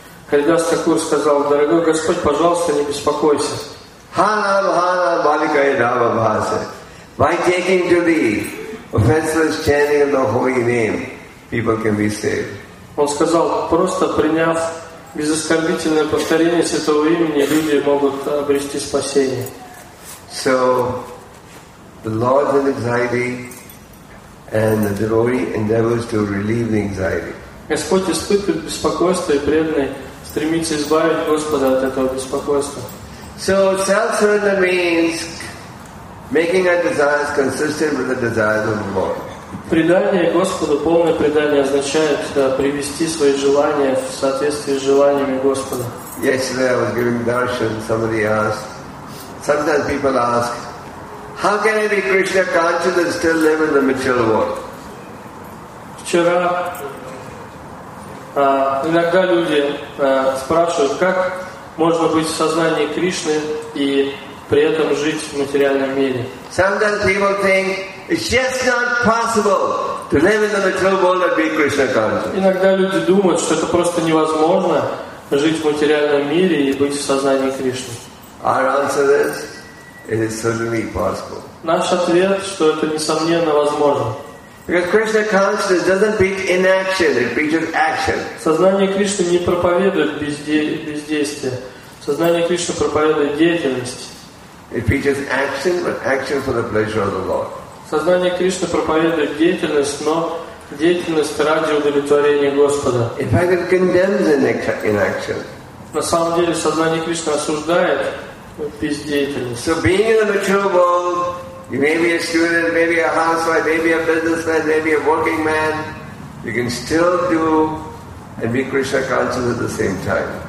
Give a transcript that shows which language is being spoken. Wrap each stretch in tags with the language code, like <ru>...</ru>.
<ru>Харидас Такур сказал, дорогой Господь, пожалуйста, не беспокойся.</ru> <en>By taking to the offenseless chanting of the holy name, people can be saved.</en> <ru>Он сказал, просто приняв безоскорбительное повторение святого имени, люди могут обрести спасение.</ru> <en>So, the Lord's in anxiety and the devotee endeavors to relieve the anxiety.</en> <ru>Господь испытывает беспокойство, и преданный стремится избавить Господа от этого беспокойства.</ru> <en>So, self-surrender means making our desires consistent with the desires of the Lord.</en> <ru>Предание Господу, полное предание означает привести свои желания в соответствии с желаниями Господа.</ru> <en>Yesterday I was giving darshan, somebody asked, sometimes people ask, how can I be Krishna conscious and still live in the material world?</en> <ru>Вчера иногда люди спрашивают, как можно быть в сознании Кришны и при этом жить в материальном мире.</ru> <en>Sometimes people think it's just not possible to live in the material world and be Krishna conscious.</en> <ru>Иногда люди думают, что это просто невозможно жить в материальном мире и быть в сознании Кришны.</ru> <en>Our answer is, it is certainly possible.</en> <ru>Наш ответ, что это несомненно возможно.</ru> <en>Because Krishna consciousness doesn't preach inaction, it preaches action.</en> <ru>Сознание Кришны не проповедует бездействие. Сознание Кришны проповедует деятельность.</ru> <en>It preaches action, but action for the pleasure of the Lord.</en> <ru>Сознание Кришны проповедует деятельность, но деятельность ради удовлетворения Господа.</ru> <en>In fact, it condemns inaction.</en> <ru>На самом деле, сознание Кришны осуждает бездеятельность.</ru> <en>So being in the material world, you may be a student, maybe a housewife, maybe a businessman, maybe a working man, you can still do and be Krishna conscious at the same time.</en>